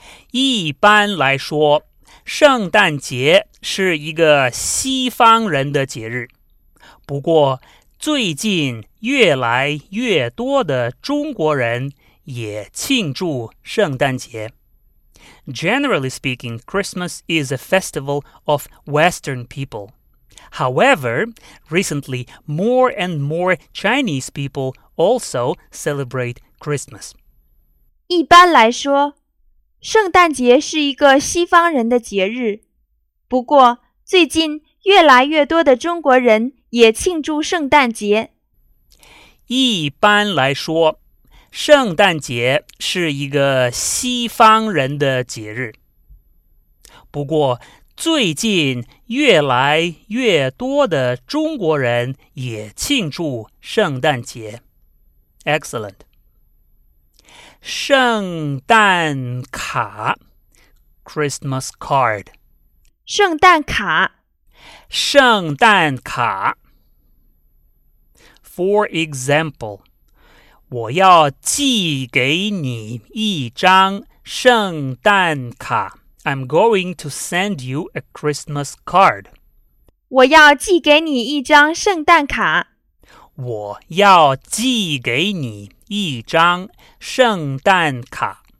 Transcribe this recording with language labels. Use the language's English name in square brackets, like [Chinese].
[Chinese] 一般来说圣诞节是一个西方人的节日。不过最近越来越多的中国人也庆祝圣诞节。 [English] Generally speaking, Christmas is a festival of Western people. However, recently more and more Chinese people also celebrate Christmas. [Chinese] 一般来说，圣诞节是一个西方人的节日。不过最近越来越多的中国人也庆祝圣诞节。一般来说，圣诞节是一个西方人的节日。不过，最近越来越多的中国人也庆祝圣诞节。 [English] Excellent. [Chinese] 圣诞卡 [English] Christmas card. [Chinese] 圣诞卡圣诞卡 [English] For example, [Chinese] 我要寄给你一张圣诞卡。 [English] I'm going to send you a Christmas card. [Chinese] 我要寄给你一张圣诞卡。我要寄给你一张圣诞卡。